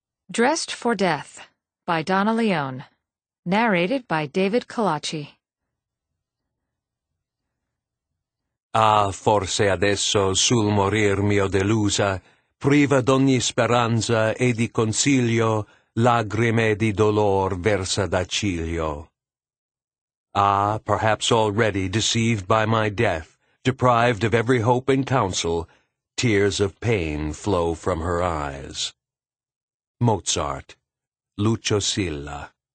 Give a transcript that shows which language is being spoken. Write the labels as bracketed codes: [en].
[en] Dressed for Death by Donna Leone. Narrated by David Colaci. [it] Ah, forse adesso sul morir mio delusa, priva d'ogni speranza e di consiglio, lagrime di dolor versa da ciglio. [en] Ah, perhaps already deceived by my death, deprived of every hope and counsel, tears of pain flow from her eyes. Mozart, Lucio Silla.